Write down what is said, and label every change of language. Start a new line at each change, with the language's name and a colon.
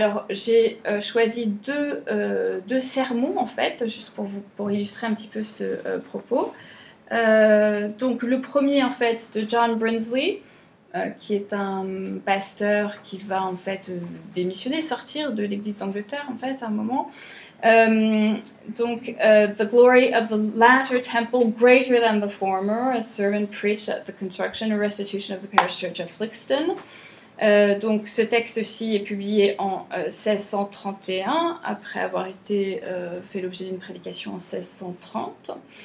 French: J'ai choisi deux sermons, en fait, juste pour illustrer un petit peu ce propos. Donc le premier, en fait, de John Brinsley, qui est un pasteur qui va en fait démissionner, sortir de l'Église d'Angleterre en fait à un moment.
English: The glory of the latter temple greater than the former, a sermon preached at the construction and restitution of the parish church of Lixton.
French: Ce texte-ci est publié en 1631 après avoir été fait l'objet d'une prédication en 1630.